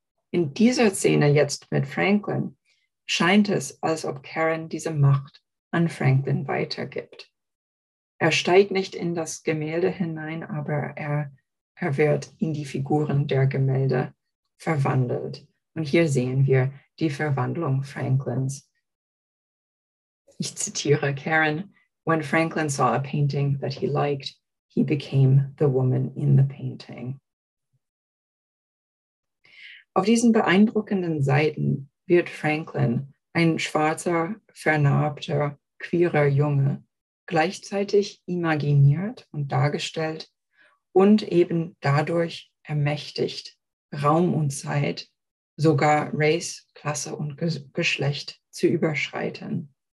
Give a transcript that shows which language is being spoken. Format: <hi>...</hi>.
<de>In dieser Szene jetzt mit Franklin scheint es, als ob Karen diese Macht an Franklin weitergibt. Er steigt nicht in das Gemälde hinein, aber er wird in die Figuren der Gemälde verwandelt. Und hier sehen wir die Verwandlung Franklins. Ich zitiere</de> <en>Karen: When Franklin saw a painting that he liked, he became the woman in the painting.</en> <de>Auf diesen beeindruckenden Seiten wird Franklin, ein schwarzer, vernarbter, queerer Junge, gleichzeitig imaginiert und dargestellt und eben dadurch ermächtigt, Raum und Zeit, sogar Race, Klasse und Geschlecht zu überschreiten.</de>